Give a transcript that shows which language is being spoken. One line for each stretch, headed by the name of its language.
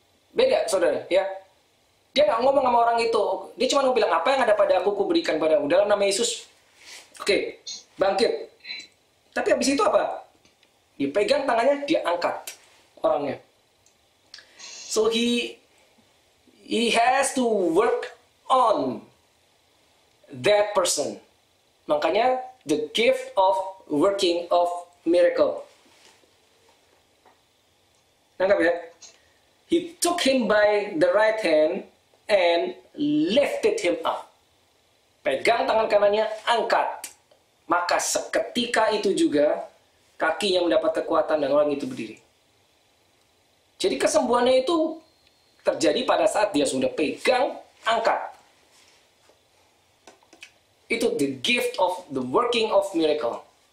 Indonesian: Beda, saudara, ya. Dia enggak ngomong sama orang itu. Dia cuma mau bilang, "Apa yang ada pada aku, kuberikan padamu dalam nama Yesus." Oke, bangkit. Tapi habis itu apa? Dia pegang tangannya, dia angkat orangnya.
English: So he has to work on that person.
Indonesian: Makanya
English: the gift of working of miracle.
Indonesian: Nangkap ya?
English: He took him by the right hand and lifted him up.
Indonesian: Pegang tangan kanannya, angkat. Maka seketika itu juga kakinya mendapat kekuatan dan orang itu berdiri. Jadi kesembuhannya itu terjadi pada saat dia sudah pegang, angkat. Itu
English: the gift of the working of miracle.